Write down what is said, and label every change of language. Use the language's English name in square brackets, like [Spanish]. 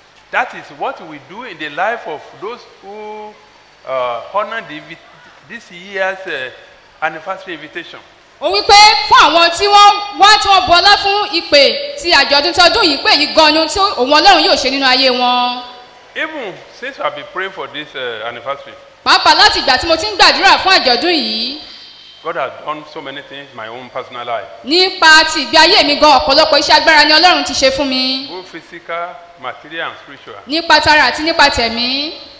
[English] That is what we do in the life of those who honored this year's anniversary invitation. [Yoruba] Ó wípé fún àwọn tí wọ́n wá tí wọ́n bọlá fún ìpè tí àjọ̀dún tọdún yìí pé èyí gan ni ohun tí òun Ọlọ́run yóò ṣe nínú ayé wọn. [English] Even since I've been praying for this anniversary. [Yoruba] Pàápàá láti ìgbà tí mo ti ń gbàdúrà fún àjọ̀dún yìí. [English] God has done so many things in my own personal life. [Yoruba] Nípa ti ìgbé ayé mi gan, ọ̀pọ̀lọpọ̀ iṣẹ́ agbára ni Ọlọ́run ti ṣe fún mi. [English] Both physical, material and spiritual. [Yoruba] Nípa tara àti nípa tẹ̀mí.